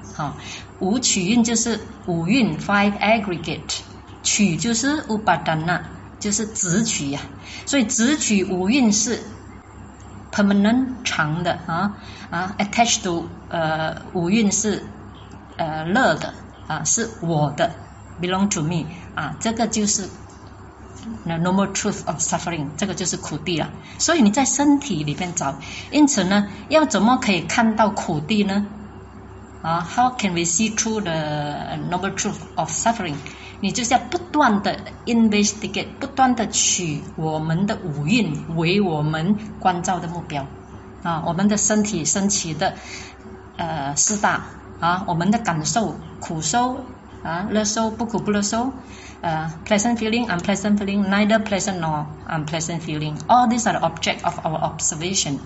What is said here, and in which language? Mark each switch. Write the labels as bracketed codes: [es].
[zh] 啊，五取蕴就是五蕴 [en] five aggregate， [zh] 取就是 upadana， 就是执取呀、啊。所以执取五蕴是 permanent 长的啊啊 ， [en] attached to [zh] 五蕴是乐的啊，是我的 [en] belong to me [zh] 啊，这个就是。 [en] The normal truth of suffering， [zh] 这个就是苦地了。所以你在身体里面找，因此呢，要怎么可以看到苦地呢？ [en] 啊、，How can we see through the normal truth of suffering？ [zh] 你就是要不断的 investigate， 不断的取我们的五蕴为我们关照的目标。啊，我们的身体升起的四大啊，我们的感受苦受啊，乐受不苦不乐受。 [en] Pleasant feeling, unpleasant feeling, neither pleasant nor unpleasant feeling. All these are the object of our observation.